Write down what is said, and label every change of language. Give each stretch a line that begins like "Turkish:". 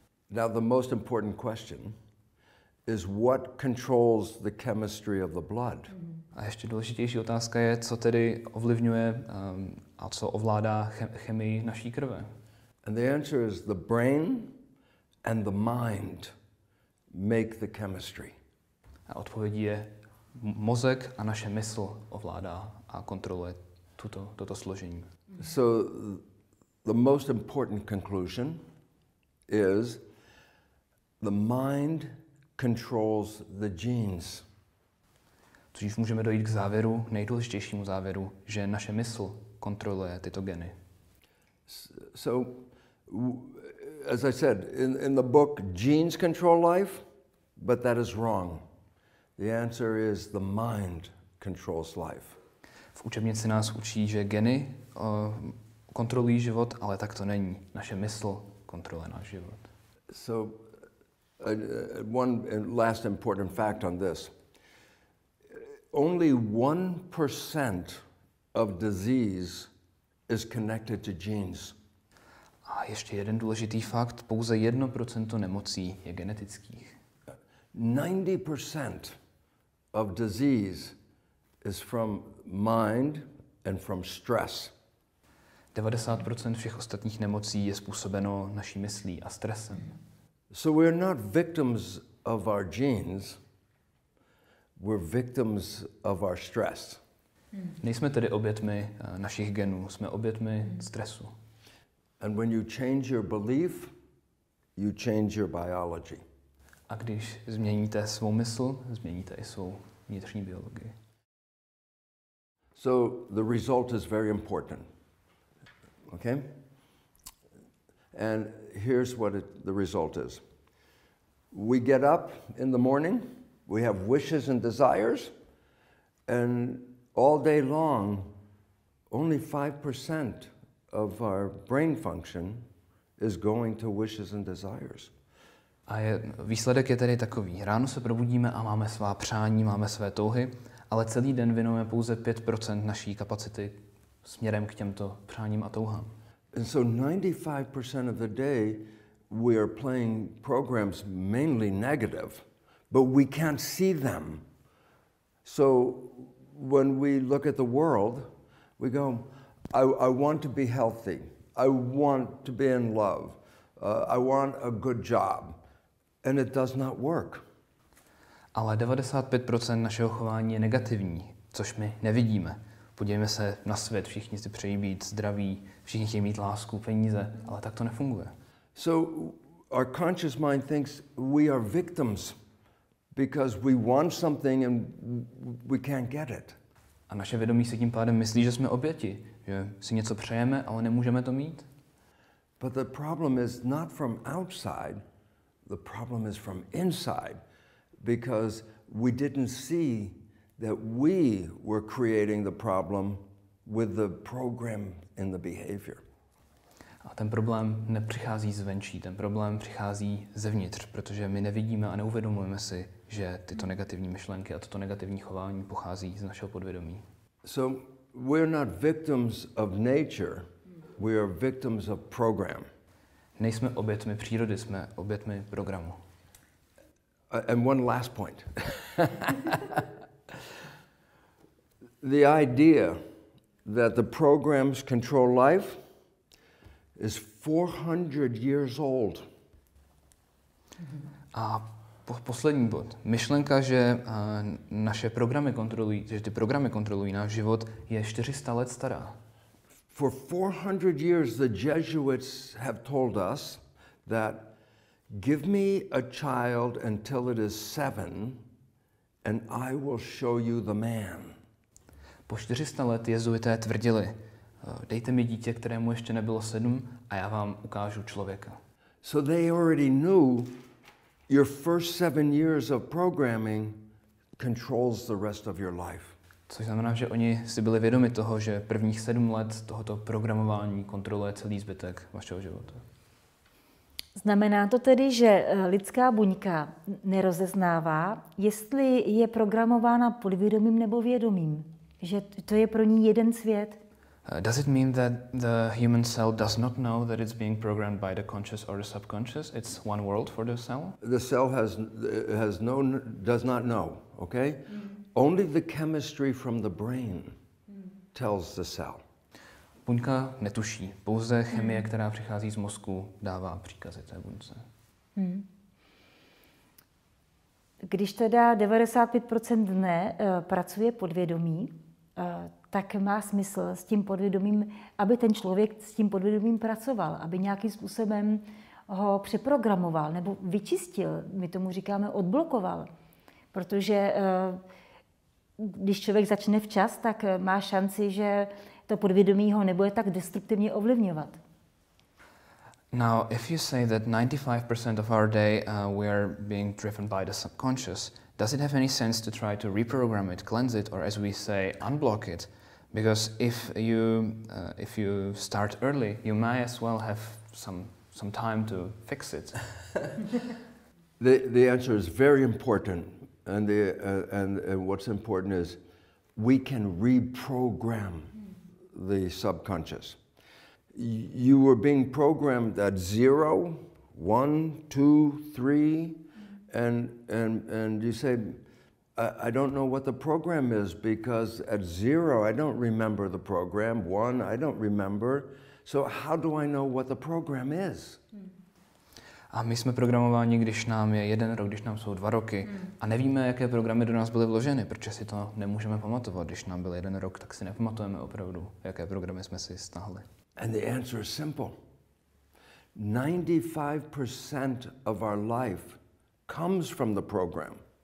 English: Now the most important question is what controls the chemistry of the blood.
Czech: A ještě důležitější otázka je, co tedy ovlivňuje a co ovládá chemii naší krve.
English: And the answer is the brain and the mind make the chemistry.
Czech: A odpovědí je mozek a naše mysl ovládá a kontroluje toto složení.
English: So the most important conclusion is the mind controls the genes.
Czech: Což můžeme dojít k závěru, nejdůležitějšímu závěru, že naše mysl kontroluje tyto geny.
English: So as I said, in the book genes control life, but that is wrong. The answer is the mind controls life.
Czech: V učebnici nás učí, že geny kontrolují život, ale tak to není. Naše mysl kontroluje náš život.
English: So one last important fact on this. Only 1% of disease is connected to genes.
Czech: A ještě jeden důležitý fakt, pouze 1% nemocí je genetických.
English: 90% of disease is from mind and from stress.
Czech: 90% všech ostatních nemocí je způsobeno naší myslí a stresem.
English: So we are not victims of our genes, we're victims of our stress.
Czech: Nejsme tedy obětmi našich genů, jsme obětmi stresu.
English: And when you change your belief, you change your biology.
Czech: A když změníte svou mysl, změníte i svou vnitřní biologii.
English: So the result is very important. Okay? And here's what the result is. We get up in the morning, we have wishes and desires, and all day long, only 5% of our brain function is going to wishes and desires.
Czech: A výsledek je tedy takový. Ráno se probudíme a máme svá přání, máme své touhy, ale celý den věnujeme pouze 5% naší kapacity směrem k těmto přáním a touhám.
English: And so 95% of the day we are playing programs mainly negative, but we can't see them. So when we look at the world, we go, I want to be healthy. I want to be in love. I want a good job. And it does not work.
Czech: Ale 95% našeho chování je negativní, což my nevidíme. Podívejme se na svět, všichni si přejí být zdraví, všichni chtějí mít lásku, peníze, ale tak to nefunguje.
English: So our conscious mind thinks we are victims because we want something and we can't get it.
Czech: A naše vědomí se tím pádem myslí, že jsme oběti, že si něco přejeme, ale nemůžeme to mít.
English: But the problem is not from outside. The problem is from inside, because we didn't see that we were creating the problem with the program in the behavior.
Czech: A ten problém nepřichází zvenčí, ten problém přichází zevnitř, protože my nevidíme a neuvědomujeme si, že tyto negativní myšlenky a toto negativní chování pochází z našeho podvědomí.
English: So we're not victims of nature, we are victims of program.
Czech: Nejsme obětmi přírody, jsme obětmi programu.
English: And one last point. The idea that the programs control life is 400 years old.
Czech: A poslední bod. Myšlenka, že naše programy kontrolují, že ty programy kontrolují náš život, je 400 let stará.
English: For 400 years, the Jesuits have told us that give me a child until it is 7, and I will show you the man.
Czech: Po 400 let jezuité tvrdili, dejte mi dítě, kterému ještě nebylo 7, a já vám ukážu člověka.
English: So they already knew your first 7 years of programming controls the rest of your life.
Czech: Což znamená, že oni si byli vědomi toho, že prvních 7 let tohoto programování kontroluje celý zbytek vašeho života. Znamená to tedy, že lidská buňka nerozeznává, jestli je programována podvědomým nebo vědomým, že to je pro ní jeden svět?
English: Does it mean that the human cell does not know that it's being programmed by the conscious or the subconscious? It's one world for the cell? The cell has no, does not know, okay? Only the chemistry from the brain tells the cell.
Czech: Buňka netuší. Pouze chemie, která přichází z mozku, dává příkazy té buňce. Když teda 95% dne pracuje podvědomí, tak má smysl s tím podvědomím, aby ten člověk s tím podvědomím pracoval, aby nějakým způsobem ho přeprogramoval nebo vyčistil, my tomu říkáme odblokoval. Protože když člověk začne včas, tak má šanci, že to podvědomí ho nebude tak destruktivně ovlivňovat.
English: Now, if you say that 95% of our day we are being driven by the subconscious, does it have any sense to try to reprogram it, cleanse it, or as we say, unblock it? Because if you start early, you may as well have some time to fix it. The answer is very important. And and what's important is we can reprogram the subconscious. You were being programmed at 0, 1, 2, 3, and you say, I don't know what the program is because at 0 I don't remember the program, 1 I don't remember. So how do I know what the program is?
Czech: A my jsme programováni, když nám je 1 rok, když nám jsou 2 roky. A nevíme, jaké programy do nás byly vloženy, protože si to nemůžeme pamatovat. Když nám byl 1 rok, tak si nepamatujeme opravdu, jaké programy jsme si stáhli.
English: And the answer is simple. 95% of our life comes from the program.